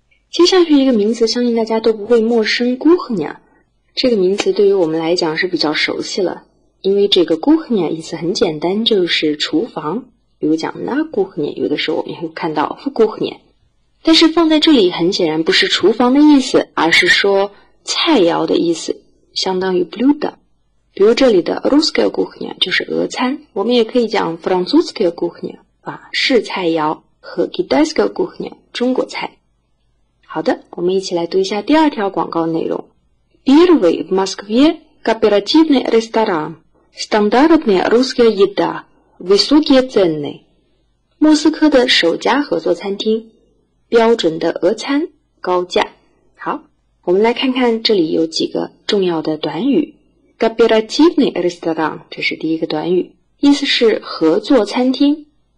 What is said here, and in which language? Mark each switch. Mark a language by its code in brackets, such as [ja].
[zh] 接下去一个名词相信大家都不会陌生， кухня，这个名词对于我们来讲是比较熟悉了，因为这个 кухня 意思很简单，就是厨房，比如讲 [ru] на кухне， [zh] 有的时候我们会看到 [ru] в кухне， [zh] 但是放在这里很显然不是厨房的意思，而是说菜肴的意思，相当于 [ru] блюдо， [zh] 比如这里的 [ru] русская кухня [zh] 就是俄餐，我们也可以讲 [ru] французская кухня [zh] 法式菜肴和 [ru] китайская кухня [zh] 中国菜。好的，我们一起来读一下第二条广告内容。 [ru] Первый в Москве кооперативный ресторан. Стандартная русская еда. Высокие цены. [zh] 莫斯科的首家合作餐厅，标准的俄餐，高价。好，我们来看看这里有几个重要的短语。 [ru] Кооперативный ресторан [zh] 这是第一个短语，意思是合作餐厅。